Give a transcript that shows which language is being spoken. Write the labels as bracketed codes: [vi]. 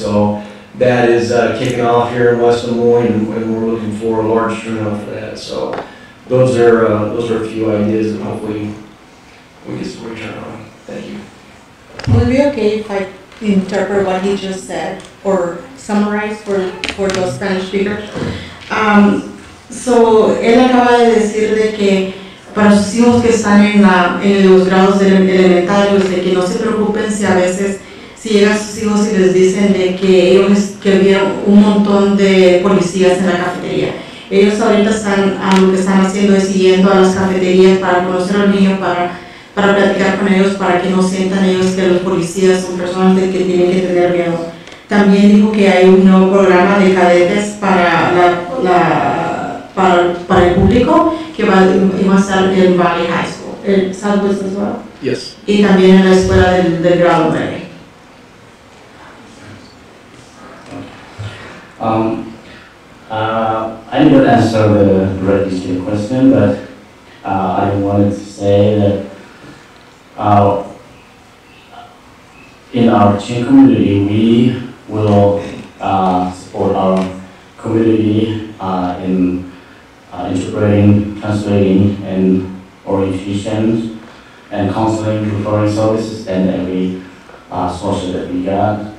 [en] So that is kicking off here in West Des Moines, and we're looking for a large turnout for that. So those are a few ideas, and hopefully we just return on. Thank you. Would it be okay if I interpret what he just said or summarize for those Spanish speakers? [es] So él acaba de decir de que para sus hijos que están en los grados elementarios, de que no se preocupen si a veces si llegan sus hijos y les dicen de que ellos que vieron un montón de policías en la cafetería. Ellos ahorita están lo que están haciendo es yendo a las cafeterías para conocer a los niños, para platicar con ellos, para que no sientan ellos que los policías son personas de que tienen que tener miedo. También dijo que hay un nuevo programa de cadetes para el público, que va a estar en Valley High School. [en] ¿El Southwest as well? Yes. [es] Y también en la escuela del grado medio. [en] I didn't answer the registered question, but I wanted to say that in our chief community, we will support our community in integrating, translating, and orientation, and counseling to foreign services and every source that we got.